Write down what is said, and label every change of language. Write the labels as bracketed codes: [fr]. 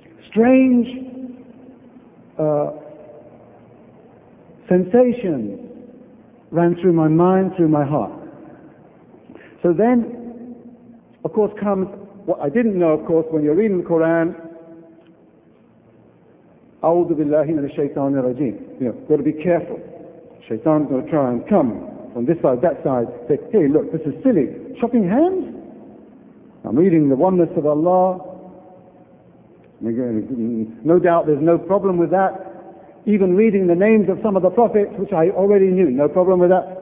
[en] Strange sensations ran through my mind, through my heart. So then, of course, comes what I didn't know, of course, when you're reading the Quran, [ar] أعوذ بالله من الشيطان الرجيم. [en] You know, gotta be careful. Shaitan's gonna try and come from this side, that side, say, hey, look, this is silly. Chopping hands? I'm reading the oneness of Allah. No doubt there's no problem with that. Even reading the names of some of the prophets, which I already knew, no problem with that.